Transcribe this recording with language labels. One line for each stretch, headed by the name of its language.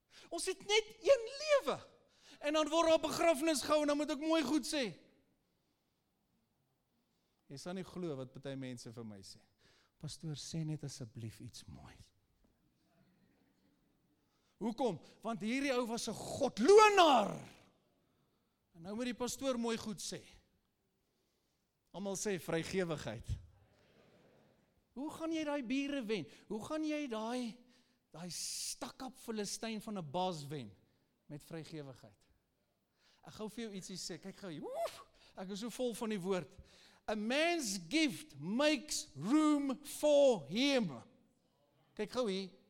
Afrikaans: Ons het net een lewe, en dan word daar begrafnis gehou, en dan moet ek mooi goed sê. Jy sal nie glo wat party mense vir my sê. Pastoor, sê net asseblief iets mooi. Hoekom? Want hierdie ou was 'n godlonaar. Nou moet die pastoor mooi goed sê. Almal sê vrygewigheid. Hoe gaan jy daai bure wen? Hoe gaan jy daai stakkap Filistyn van 'n baas wen met vrygewigheid? Ek gou vir jou ietsie sê. Kyk gou. Oef, ek is so vol van die woord.
English: A man's gift makes room for him.
Afrikaans: Kyk gou hier.